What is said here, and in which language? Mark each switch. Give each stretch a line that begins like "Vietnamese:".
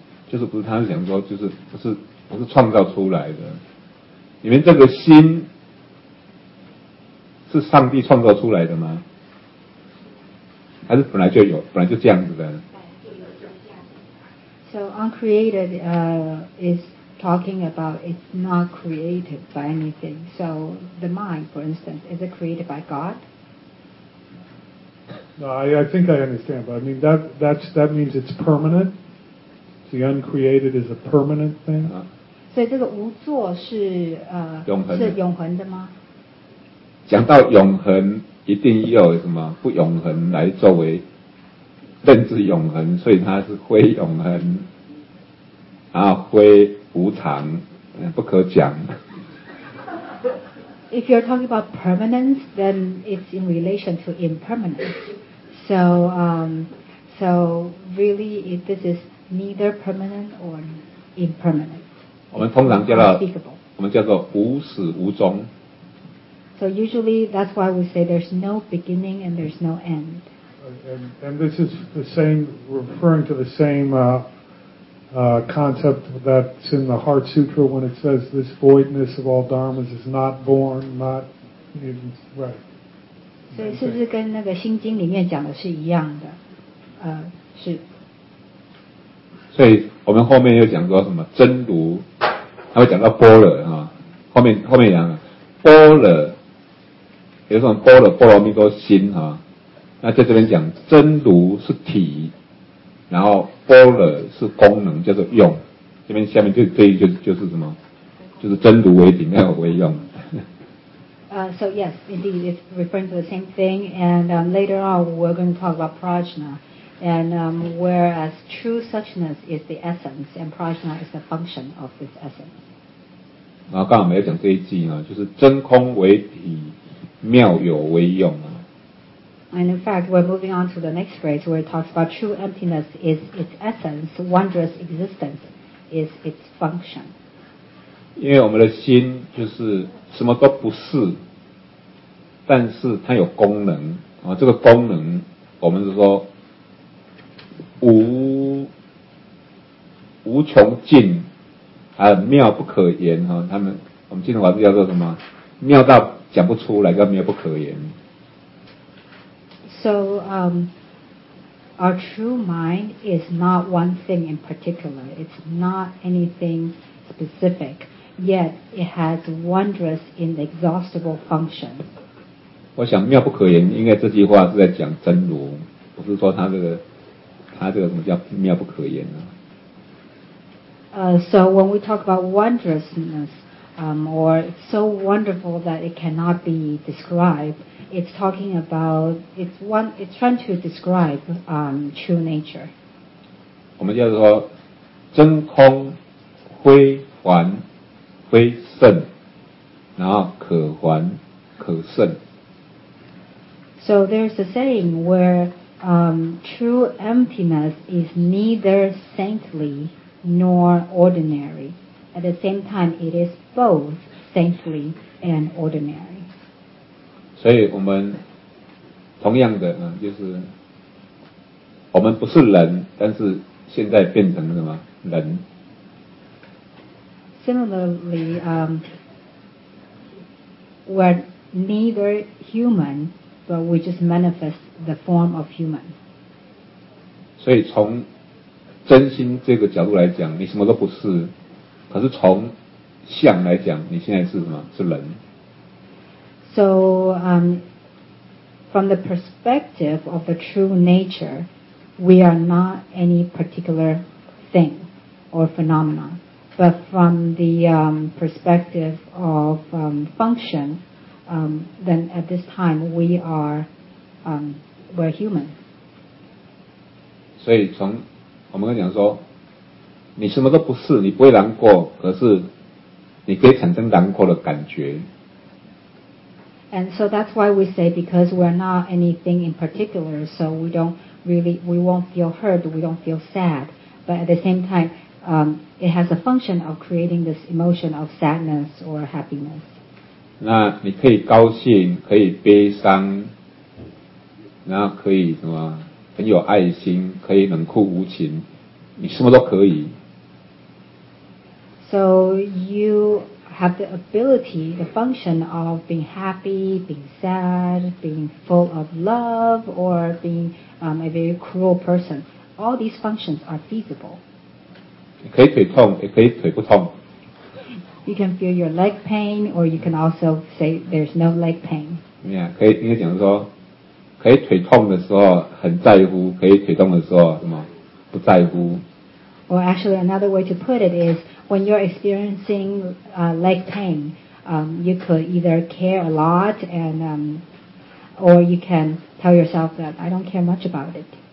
Chinese: 就是不是他是想说，就是不是创造出来的。你们这个心是上帝创造出来的吗？还是本来就有，本来就这样子的
English: ？So uncreated is talking about it's not created by anything. So the mind, for instance, is it created by God? No, I think I understand, but I mean that means it's permanent. The uncreated is a permanent thing.
Chinese: 所以这个无作是永恒的吗？讲到永恒，一定要有什么不永恒来作为认知永恒，所以它是非永恒，然后非无常，不可讲。
English: If you're talking about permanence, then it's in relation to impermanence. So, so really, if this is neither permanent or impermanent.
Chinese: 我们通常叫做，我们叫做无始无终。
English: So usually, that's why we say there's no beginning and there's no end. And this is the same, referring to the same concept that's in the Heart Sutra when it says this voidness of all dharmas is not born, not, right.
Chinese: 所以是不是跟那个心经里面讲的是一样的？是。所以我们后面又讲说什么真如，还会讲到般若哈。后面讲般若，比如说般若波罗蜜多心哈。那在这边讲真如是体，然后般若是功能，叫做用。这边下面就这一句就是什么？就是真如为体，那为用。
English: So yes, indeed, it's referring to the same thing. And later on, we're going to talk about prajna. And whereas true suchness is the essence, and prajna is the function of this essence.
Chinese: 然后刚刚我们要讲这一句啊，就是真空为体，妙有为用。
English: And in fact, we're moving on to the next phrase where it talks about true emptiness is its essence, wondrous existence is its function.
Chinese: 因为我们的心就是什么都不是，但是它有功能啊。这个功能，我们是说无穷尽，还有妙不可言哈。我们今天晚上叫做什么？妙到讲不出来，叫妙不可言。
English: So, our true mind is not one thing in particular. It's not anything specific. Yet, it has wondrous, inexhaustible function.
Chinese: 我想妙不可言，应该这句话是在讲真如，不是说它这个什么叫妙不可言啊。
English: So when we talk about wondrousness, or it's so wonderful that it cannot be described, it's trying to describe true nature.
Chinese: 我们叫做真空辉煌辉盛，然后可还可盛。
English: So there's a saying where true emptiness is neither saintly nor ordinary. At the same time, it is both saintly and ordinary.
Chinese: 所以我们同样的呢，就是我们不是人，但是现在变成什么人？
English: Similarly, we're neither human, but we just manifest the form of human.
Chinese: 所以从真心这个角度来讲，你什么都不是；可是从相来讲，你现在是什么？是人。
English: So, from the perspective of the true nature, we are not any particular thing or phenomenon. But from the perspective of function, then at this time we are we're human.
Chinese: 所以从我们讲说，你什么都不是，你不会难过，可是你可以产生难过的感觉。
English: And so that's why we say because we're not anything in particular, so we won't feel hurt, we don't feel sad, but at the same time. It has a function of creating this emotion of sadness or happiness.
Chinese: 那你可以高兴，可以悲伤，然后可以什么，很有爱心，可以冷酷无情，你什么都可以。
English: So you have the ability, the function of being happy, being sad, being full of love, or being a very cruel person. All these functions are feasible.
Chinese: 你可以腿痛，也可以腿不痛。
English: You can feel your leg pain, or you can also say there's no leg pain.
Chinese: Yeah, 可以应该讲说，可以腿痛的时候很在乎，可以腿痛的时候什么不在乎。
English: Well, actually, another way to put it is when you're experiencing leg pain, you could either care a lot and or you can tell yourself that I don't care much about it.